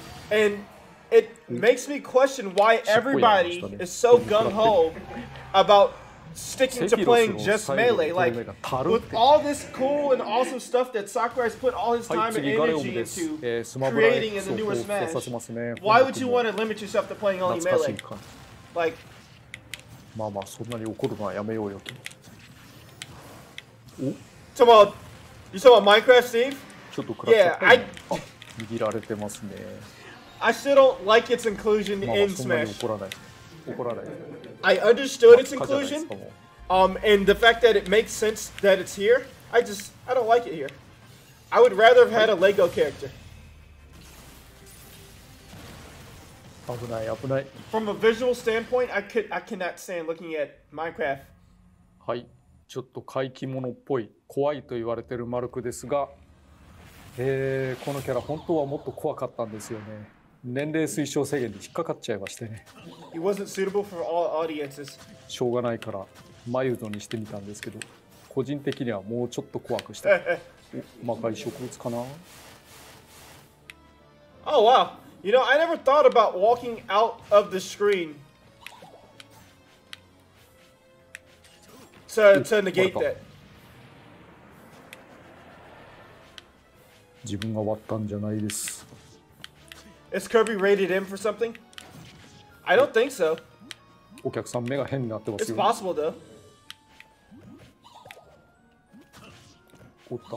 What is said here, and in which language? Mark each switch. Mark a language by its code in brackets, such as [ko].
[en] And it makes me question why everybody is so gung-ho about sticking to playing just Melee. Like, with all this cool and awesome stuff that Sakurai's put all his time and energy into creating in the newer Smash, why would you want to limit yourself to playing only Melee? Like, [ja] まあまあそんなに怒るのはやめようよ。 [en] You talking about Minecraft, Steve? [ja] ちょっと食らっちゃ [en] った。 I still don't like its inclusion in Smash. [ja] そんなに怒らない。怒らない。 [en] I understood its inclusion, and the fact that it makes sense that it's here, I don't like it here. I would rather have had a Lego character. [ja] 危ない、危ない。 [en] From a visual standpoint, I cannot stand looking at Minecraft. [ja] はい、ちょっと怪奇物っぽい、怖いと言われてるマルクですが、このキャラ本当はもっと怖かったんですよね。年齢推奨制限で引っかかっちゃいましてね。 [en] It wasn't suitable for all audiences. [ja] しょうがないからマイルドにしてみたんですけど、個人的にはもうちょっと怖くした。魔界植物かな。 [en] Oh wow! You know, I never thought about walking out of the screen to negate that. [ja] 自分が割ったんじゃないです。 [en] Is Kirby rated M for something? I don't think so. [ja] お客さん目が変になってますよ。 [en] It's possible though. [ja] おった。